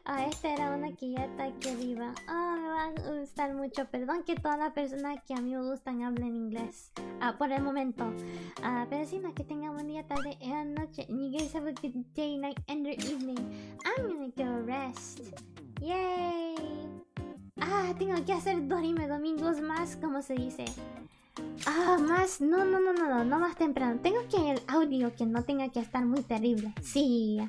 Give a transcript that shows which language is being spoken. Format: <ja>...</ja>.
<es>esta era una que ya está aquí arriba. Oh, me va a gustar mucho. Perdón que todas las personas que a mí me gustan hablen inglés. Por el momento. Pero sí, no, que tengan buen día, tarde y noche.</es> <en>And you guys have a good day, night, and your evening. I'm gonna go rest. Yay.</en> <es>Tengo que hacer Dorime domingos más, como se dice. Más, no, más temprano. Tengo que el audio que no tenga que estar muy terrible. Sí.</es>